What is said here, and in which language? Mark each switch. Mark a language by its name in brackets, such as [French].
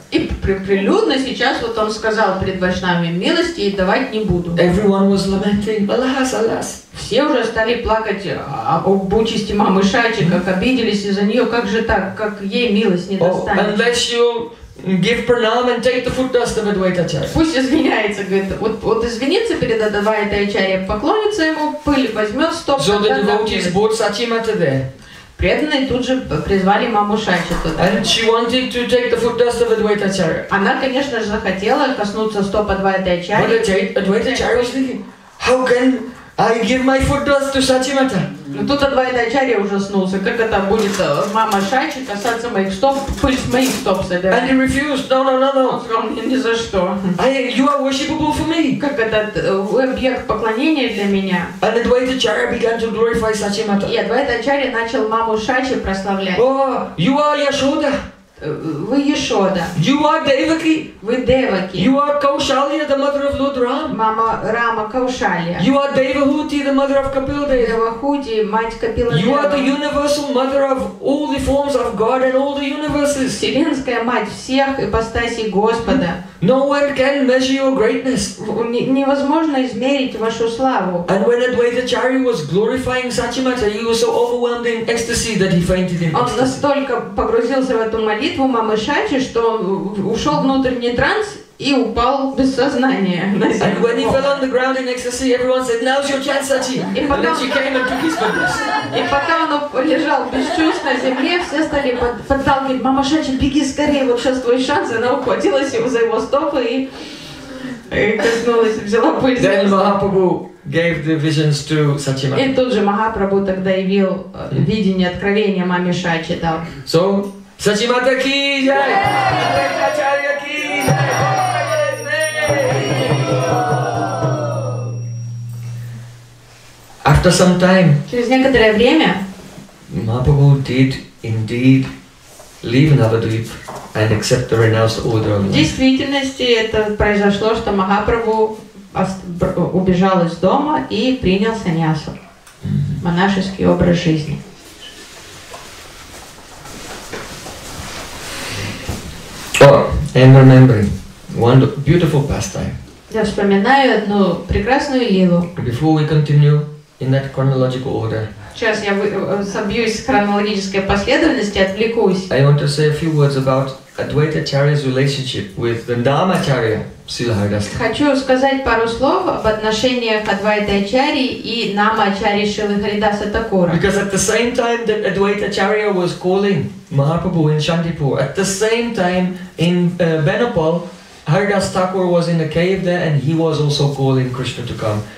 [Russian] И прилюдно сейчас вот он сказал перед вайшнавами, милости и давать не буду. [English] Everyone was lamenting, alas, alas. [Russian] Все уже стали плакать об участи мамы Шачи, как обиделись из-за нее, как же так, как ей милость не достанет. [English] Oh, unless you give pranam and take the foot dust of Advaita Acharya. [Russian] Пусть извиняется, говорит, вот извинится перед Адвайта Ачарьей, поклонится ему, пыль возьмет, стоп. [English] So the devotees brought Satyamata there. [Russian] Преданные тут же призвали маму Шачи туда. [English] And she wanted to take the foot dust of Advaita Acharya. [Russian] Она, конечно же, захотела коснуться стоп Адвайта Ачарьи. [English] But Advaita Acharya was thinking, how can I give my foot dust to Satyamata. [Russian] Но тут Адвайта Ачарья ужаснулся. Как это будет мама Шачи касаться моих стоп, пусть моих стоп собирает. [English] And he refused. No. [Russian] Он сказал мне, ни за что. [English] You are worshipable for me. [Russian] Как этот объект поклонения для меня. [English] And Advaita Acharya began to glorify Satyamata. [Russian] И Адвайта Ачарья начал маму Шачи прославлять. [English] Oh, you are Yashoda. [Russian] Вы Яшода. [English] You are Devaki. [Russian] Вы Деваки. [English] You are Kaushalya, the mother of Lord Ram. [Russian] Мама Рама Каушалья. [English] You are Devahuti, the mother of Kapila Dev. [Russian] Девахути, мать Капила Дева. [English] You are the universal mother of all the forms of God and all the universes. [Russian] Вселенская мать всех ипостасей Господа. [English] No one can measure your greatness. [Russian] Невозможно измерить вашу славу. [English] And when Advaita Acharya was glorifying Satyamata, he was so overwhelmed in ecstasy that he fainted in ecstasy. [Russian] Он настолько погрузился в эту молитву мамы Шачи, что ушел внутренний транс и упал без сознания. [English] And when he fell on the ground in ecstasy, everyone said, "Now's your chance, Sati." And then she came and took his fingers. [Russian] И пока он лежал без чувств на земле, все стали подталкивать: "Мама Шачи, беги скорее, вот сейчас твой шанс." Она ухватилась его за его стопы и коснулась, взяла пульс. [English] Then Mahaprabhu gave the visions to Satyamati. [Russian] И тут же Махапрабху тогда явил видение, откровение маме Шачи дал. [English] So Satyamati ki jai. Acharya ki jai. After some time. [Russian] Через некоторое время. [English] Mahaprabhu did indeed leave Navadvip and accept the renounced order. [Russian] В действительности это произошло, что Махапрабху убежал из дома и принял саньясу, монашеский образ жизни. [English] Oh, and remembering one beautiful pastime. [Russian] Я вспоминаю одну прекрасную лилу. [English] Before we continue in that chronological order. [Russian] Сейчас я собьюсь с хронологической последовательности, отвлекусь. [English] I want to say a few words about Advaita Charya's relationship with Dandama Charya, Srila Haridasa. [Russian] Хочу сказать пару слов об отношениях Адвайты Ачарьи и Нама Ачарьи Шрилы Харидаса Такура. [English] Because at the same time that Advaita Charya was calling Mahaprabhu in Shantipur, at the same time in Benapol, Haridasa Thakur was in a cave there and he was also calling Krishna to come.